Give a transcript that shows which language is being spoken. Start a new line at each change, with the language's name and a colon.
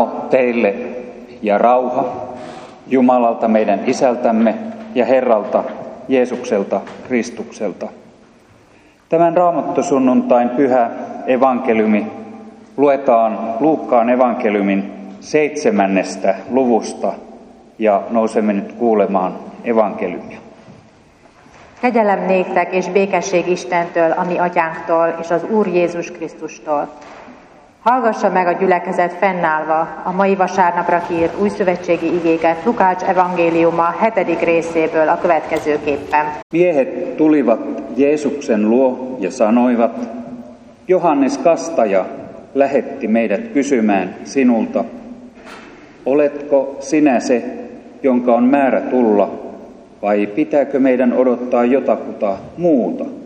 Finnish: Teille ja rauha Jumalalta meidän isältämme ja Herralta Jeesukselta Kristukselta. Tämän raamattosunnuntain pyhä evankeliumi luetaan Luukkaan evankeliumin 7. luvusta ja nousemme nyt kuulemaan evankeliumia.
Hungarian: Kegyelem néktek és békesség Istentől, a mi atyánktól és az Úr Jézus Krisztustól. Hallgassa meg a gyülekezet fennállva a mai vasárnapra kiírt újszövetségi igéket Lukács evangéliuma 7. részéből a következőképpen.
Finnish: Miehet tulivat Jeesuksen luo ja sanoivat, Johannes Kastaja lähetti meidät kysymään sinulta, oletko sinä se, jonka on määrä tulla, vai pitääkö meidän odottaa jotakuta muuta?